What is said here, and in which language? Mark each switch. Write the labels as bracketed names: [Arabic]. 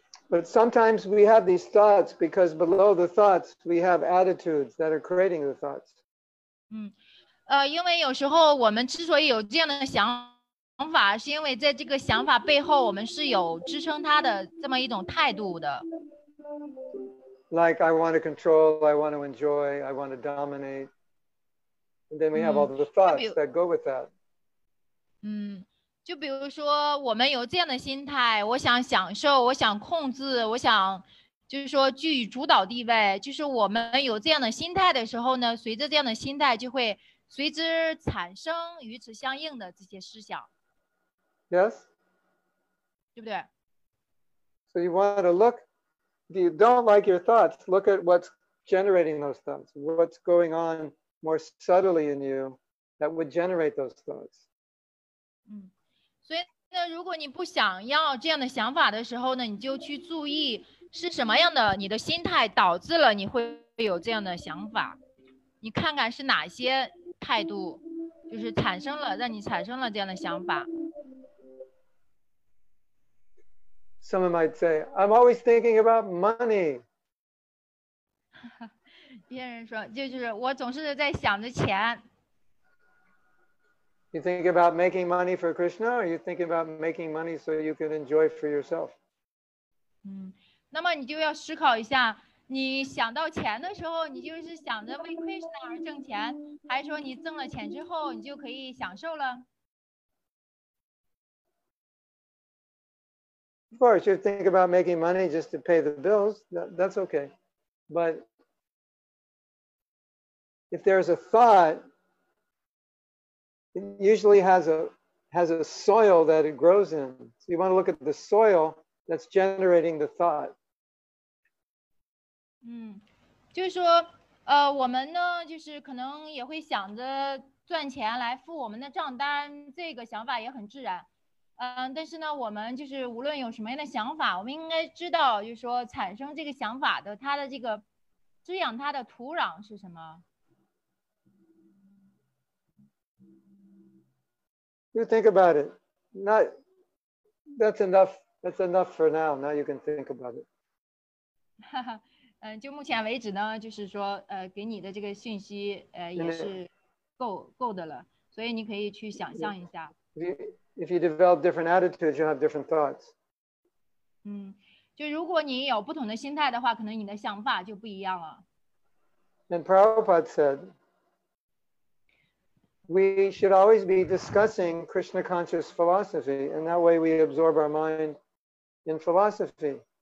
[English] But sometimes we have these thoughts because below the thoughts, we have attitudes that are creating the thoughts. [Chinese] 因为有时候我们之所以有这样的想法，是因为在这个想法背后，我们是有支撑它的这么一种态度的。 [English] Like, I want to control, I want to enjoy, I want to dominate. And then we have all the thoughts that go with that. [Chinese] 就比如说我们有这样的心态，我想享受，我想控制，我想就是说具主导地位，就是我们有这样的心态的时候呢，随着这样的心态就会随之产生与此相应的这些思想。 [English] Yes? [Chinese] 对不对？ [English] So you want to look, if you don't like your thoughts, look at what's generating those thoughts, what's going on more subtly in you that would generate those thoughts. [Chinese] 所以呢，如果你不想要这样的想法的时候呢，你就去注意是什么样的你的心态导致了你会有这样的想法。你看看是哪些态度，就是产生了，让你产生了这样的想法。 [English] Someone might say, I'm always thinking about money. [Chinese] 别人说，就是我总是在想着钱。 [English] You think about making money for Krishna, or you think about making money so you can enjoy for yourself? [Chinese] 那么你就要思考一下，你想到钱的时候，你就是想着为 Krishna 而挣钱，还是说你挣了钱之后，你就可以享受了？ [English] Of course, you think about making money just to pay the bills, that's okay. But if there's a thought,It usually has a soil that it grows in. So you want to look at the soil that's generating the thought. [Chinese] 就是说，我们呢，就是可能也会想着赚钱来付我们的账单，这个想法也很自然。但是呢，我们就是无论有什么样的想法，我们应该知道，就是说产生这个想法的，它的这个滋养它的土壤是什么。 [English] You think about it. Not, that's enough. That's enough for now. Now you can think about it. [Chinese] 就目前为止呢，就是说，给你的这个讯息，也是够的了。所以你可以去想象一下。 [English] If you develop different attitudes, you have different thoughts. [Chinese] 就如果你有不同的心态的话，可能你的想法就不一样了。 [English] And Prabhupada said. We should always be discussing Krishna conscious philosophy, and that way we absorb our mind in philosophy.